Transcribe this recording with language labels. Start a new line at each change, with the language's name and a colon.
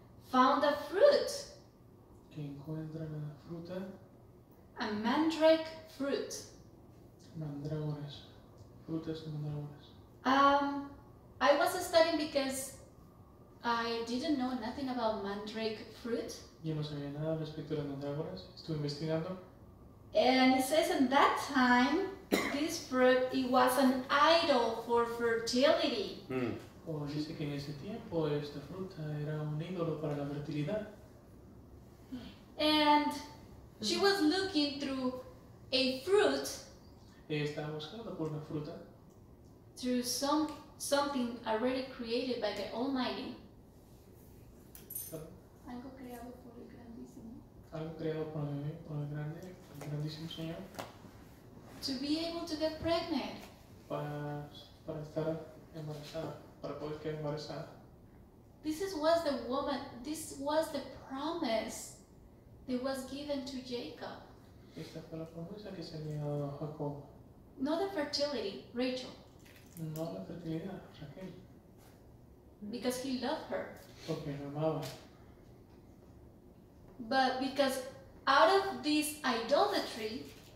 English: found a fruit,
Spanish: que encuentra la fruta,
English: a mandrake fruit,
Spanish: mandrágoras, frutas de mandrágoras.
English: I was studying because I didn't know nothing about mandrake fruit.
Spanish: Yo no sabía nada respecto a las mandrágoras. Estuve investigando.
English: And it says in that time, this fruit, it was an idol for fertility.
Spanish: Dice que en ese tiempo esta fruta era un ídolo para la fertilidad.
English: And she was looking through a fruit.
Spanish: Ella estaba buscando por una fruta.
English: Through something already created by the Almighty.
Spanish: Algo creado por el grandísimo Señor.
English: To be able to get pregnant.
Spanish: Para estar embarazada. para poder quedar embarazada.
English: This was the promise that was given to Jacob.
Spanish: Esta fue la promesa que se le dio a Jacob.
English: Not the fertility, Rachel.
Spanish: No la fertilidad, Raquel.
English: Because he loved her.
Spanish: Porque la amaba.
English: But because out of this idolatry,